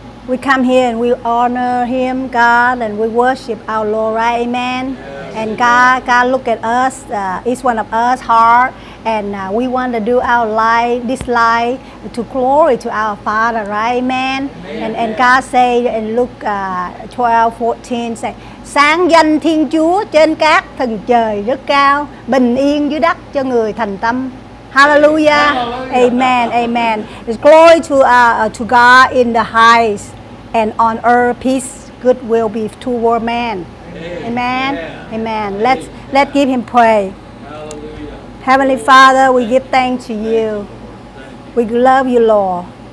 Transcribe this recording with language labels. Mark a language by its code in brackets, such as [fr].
[en] We come here and we honor Him, God, and we worship our Lord, right? Amen. Yes. And God look at us, each one of us, heart, and we want to do our life, this life, to glory to our Father, right? Amen. Amen. And God say in Luke 12:14, say, [vi] Sáng danh Thiên Chúa trên các thần trời rất cao, bình yên dưới đất cho người thành tâm. [en] Hallelujah. Hallelujah. Amen. Amen. It's glory to God in the highest, and on earth peace, good will be toward man. Amen. Amen. Yeah. Amen. Let's give Him praise. Hallelujah. Heavenly Father, we give thanks to you. We love you, Lord.